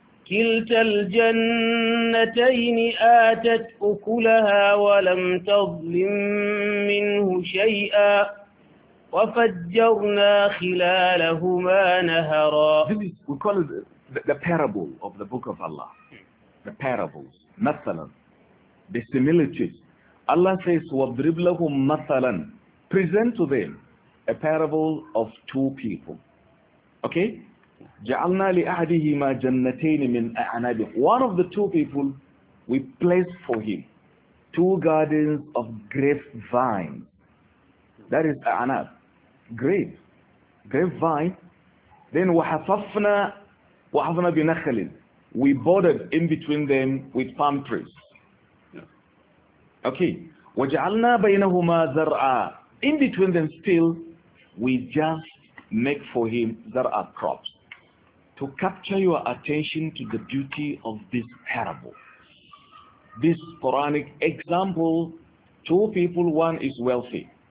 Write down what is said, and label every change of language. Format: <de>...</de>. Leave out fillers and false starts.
<ar>كلتا الجنتين آتت أكلها ولم تظلم منه شيئا وفجرنا خلالهما نهرا.</ar> <en>We call it the parable of the book of Allah. The parables, مثلا, the similitudes. Allah says,</en> <ar>وَاضْرِبْ لَهُمْ مَثَلًا.</ar> <en>Present to them a parable of two people. Okay?</en> <ar>جَعَلْنَا لِأَحَدِهِمَا جَنَّتَيْنِ مِنْ أَعْنَابٍ.</ar> <en>One of the two people, we placed for him two gardens of grape vines. That is أَعْنَاب. Grape. Grape vine. Then</en> <ar>وَحَفَفْنَا بِنَخَلٍ.</ar> <en>We bordered in between them with palm trees. Okay.</en> <ar>وَجَعَلْنَا بَيْنَهُمَا زَرْعًا.</ar> <en>In between them still, we just make for him زَرْعَ, crops. To capture your attention to the beauty of this parable, this Quranic example, two people, one is wealthy.</en>